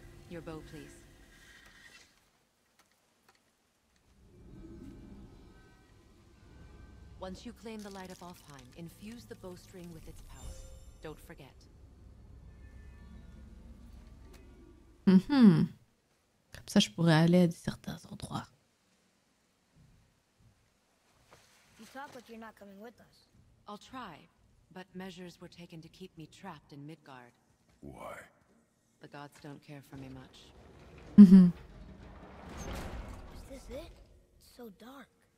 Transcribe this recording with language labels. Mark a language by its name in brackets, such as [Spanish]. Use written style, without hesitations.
[English] Your bow, please. Once you claim the light of Alfheim, infuse the bowstring with its power. Don't forget. [French] Comme ça, je pourrais aller à certains endroits. [English] You talk like you're not coming with us. I'll try, but measures were taken to keep me trapped in Midgard. Why? The gods don't care for me much. Is this it? It's so dark.